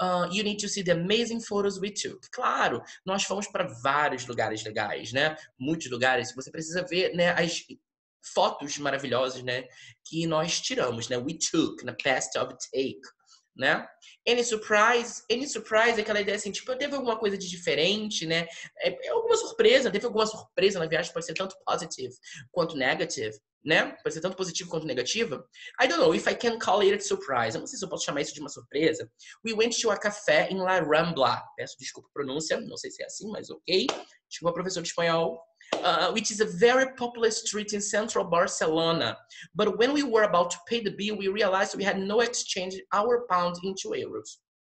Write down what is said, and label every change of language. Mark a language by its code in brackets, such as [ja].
[en] You need to see the amazing photos we took. [pt] Claro, nós fomos para vários lugares legais, né? Muitos lugares, você precisa ver, né, as fotos maravilhosas, né, que nós tiramos, né? [en] We took, [pt] na [en] past of take. [pt] Né? [en] Any surprise, [pt] aquela ideia assim, tipo, teve alguma coisa de diferente, né? Teve alguma surpresa na viagem, pode ser tanto positive quanto negative, né? Pode ser tanto positivo quanto negativo. [en] I don't know if I can call it a surprise. [pt] Eu não sei se eu posso chamar isso de uma surpresa. [en] We went to a café in La Rambla. [pt] Peço desculpa a pronúncia, não sei se é assim, mas ok. Tipo, uma professora de espanhol. [en] Which is a very popular street in central Barcelona. But when we were about to pay the bill, we realized we had no exchange our pound into euros.